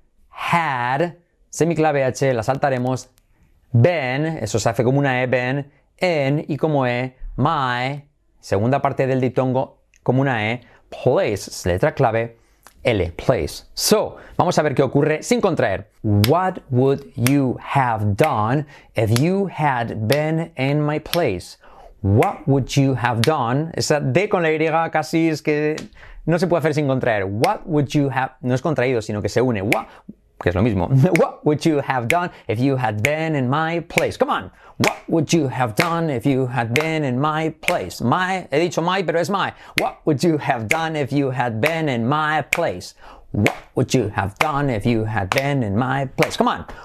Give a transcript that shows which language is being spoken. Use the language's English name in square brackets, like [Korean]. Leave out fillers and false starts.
[Spanish] had, semiclave H, la saltaremos, been, eso se hace como una E, been, in y como E, my, segunda parte del diptongo, como una E, place, letra clave, L, place. So, vamos a ver qué ocurre sin contraer. [English] What would you have done if you had been in my place? What would you have done? [Spanish] Esa D con la Y casi es que no se puede hacer sin contraer. [English] What would you have... [Spanish] No es contraído, sino que se une. What, que es lo mismo. [English] What would you have done if you had been in my place? Come on. What would you have done if you had been in my place? My, [Spanish] he dicho [English] my, [Spanish] pero es [English] my. What would you have done if you had been in my place? What would you have done if you had been in my place? Come on.